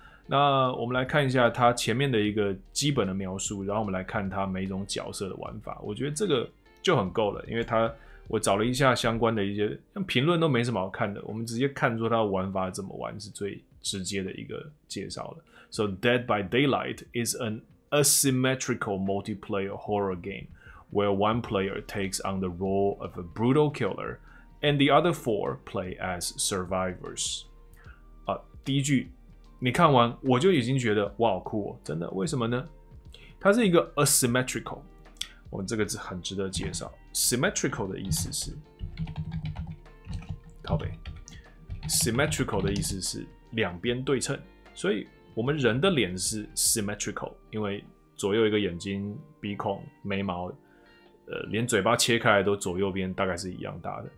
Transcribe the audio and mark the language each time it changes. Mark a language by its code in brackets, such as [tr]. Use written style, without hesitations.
[zh] 那我们来看一下他前面的一个基本的描述，然后我们来看他每一种角色的玩法，我觉得这个就很够了，因为他我找了一下相关的一些像评论都没什么好看的，我们直接看出他的玩法怎么玩是最直接的一个介绍了。 [en] So Dead by Daylight is an asymmetrical multiplayer horror game where one player takes on the role of a brutal killer and the other four play as survivors. [zh] 第一句你看完我就已经觉得哇好酷哦，真的，为什么呢？它是一个 asymmetrical， 我们这个字很值得介绍。 Symmetrical 的意思是靠北， Symmetrical 的意思是两边对称，所以我们人的脸是 symmetrical， 因为左右一个眼睛、鼻孔、眉毛，连嘴巴切开来都左右边大概是一样大的。